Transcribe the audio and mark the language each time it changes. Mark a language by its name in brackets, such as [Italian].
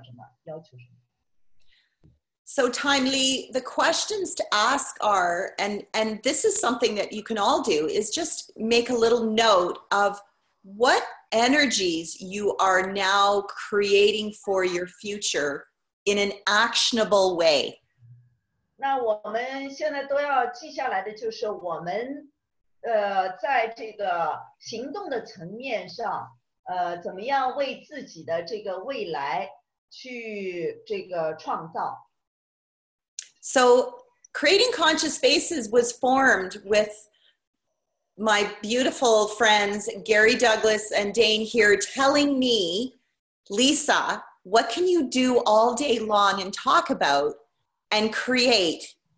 [Chinese] 那如果我们不跟我们的身体交流，我们只是在这个头脑的这一部分，那我们就跟我们的身体就分离了，就没有意识到我们身体到底是需要什么，要求什么。 [English] So timely, the questions to ask are, and this is something that you can all do, is just make a little note of what energies you are now creating for your future in an actionable way. [Chinese] 那我们现在都要记下来的就是我们在这个行动的层面上怎么样为自己的这个未来去这个创造。 [English] So Creating Conscious Spaces was formed with my beautiful friends, Gary Douglas and Dane here, telling me, Lisa, what can you do all day long and talk about and create?